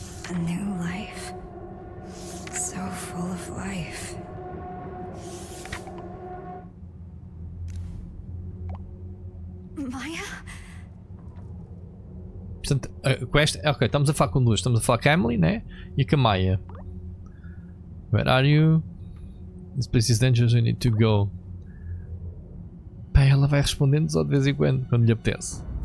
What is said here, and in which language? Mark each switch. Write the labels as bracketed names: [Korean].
[English] A new life. So full of life. Maya? [Portuguese] Portanto, a quest, ok, estamos a falar com duas. Estamos a falar com a Emily, né? E com a Maya. [English] Where are you? This place is dangerous, you need to go. [Portuguese] Pá, ela vai respondendo só de vez em quando lhe apetece.